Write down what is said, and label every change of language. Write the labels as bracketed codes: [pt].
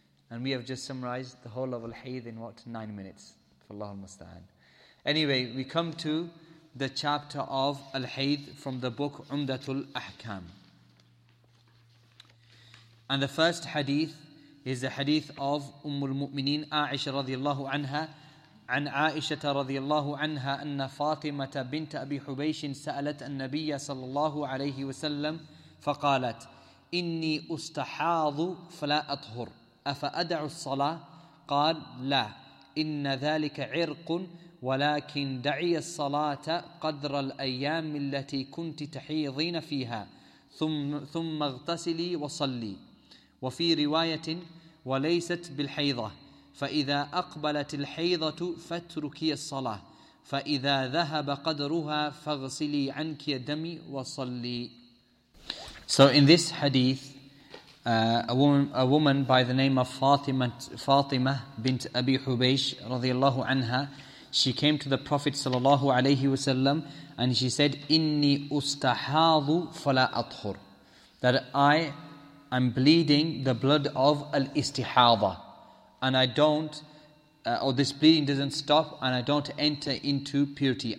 [en] And we have just summarized the whole of al-hayd in what, 9 minutes? Allahul Musta'an. Anyway, we come to the chapter of al-hayd from the book Umdatul Ahkam. And the first hadith is the hadith of Ummul Mu'mineen Aisha radiallahu anha. [ar] عن عائشة رضي الله عنها أن فاطمة بنت أبي حبيش سألت النبي صلى الله عليه وسلم فقالت إني أستحاض فلا أطهر أفأدع الصلاة؟ قال لا، إن ذلك عرق، ولكن دعي الصلاة قدر الأيام التي كنت تحيضين فيها ثم اغتسلي وصلي. وفي رواية وليست بالحيضة، فإذا أقبلت الحيضة فاتركي الصلاة، فإذا ذهب قدرها فاغسلي عنك دمي وصلي. [en] So in this hadith, a woman by the name of Fatima bint Abi Hubaysh رضي الله عنها, she came to the Prophet صلى الله عليه وسلم and she said, إني أستحاض فلا أطهر, that I am bleeding the blood of al-istihadha, and I don't, or this bleeding doesn't stop, and I don't enter into purity.